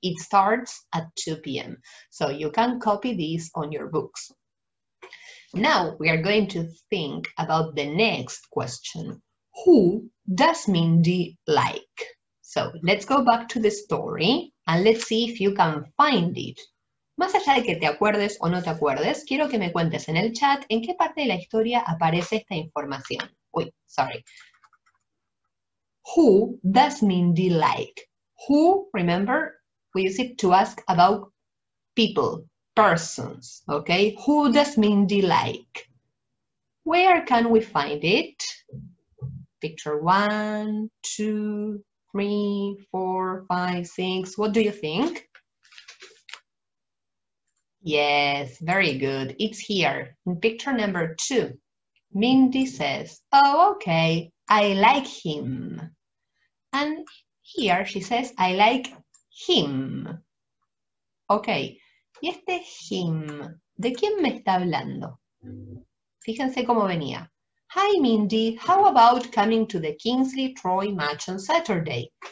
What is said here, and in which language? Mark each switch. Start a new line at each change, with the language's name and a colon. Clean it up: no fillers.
English: It starts at 2 p.m. So you can copy these on your books. Now we are going to think about the next question. Who does Mindy like? So let's go back to the story. And let's see if you can find it.
Spanish: Más allá de que te acuerdes o no te acuerdes, quiero que me cuentes en el chat en qué parte de la historia aparece esta información.
English: Uy, sorry. Who does Mindy like? Who, remember, we use it to ask about people, persons, okay? Who does Mindy like? Where can we find it? Picture 1, 2, 3, 4, 5, 6. What do you think? Yes, very good. It's here in picture number 2. Mindy says, oh, okay, I like him. And here she says, I like him.
Spanish: Okay, y este him, ¿de quién me está hablando? Fíjense cómo venía.
English: Hi, Mindy, how about coming to the Kingsley Troy match on Saturday?